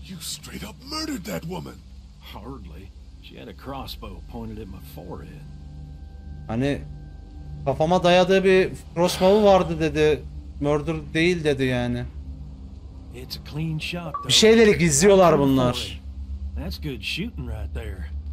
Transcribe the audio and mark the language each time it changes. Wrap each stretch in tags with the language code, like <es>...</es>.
<en>You straight up murdered that woman. Hardly. She had a crossbow pointed at my forehead.</en> <tr>Hani kafama dayadığı bir crossbow vardı dedi. Murder değil dedi yani.</tr> <en>It's a clean shot.</en> <tr>Bir şeyleri gizliyorlar bunlar.</tr> <en>That's good shooting right there.</en>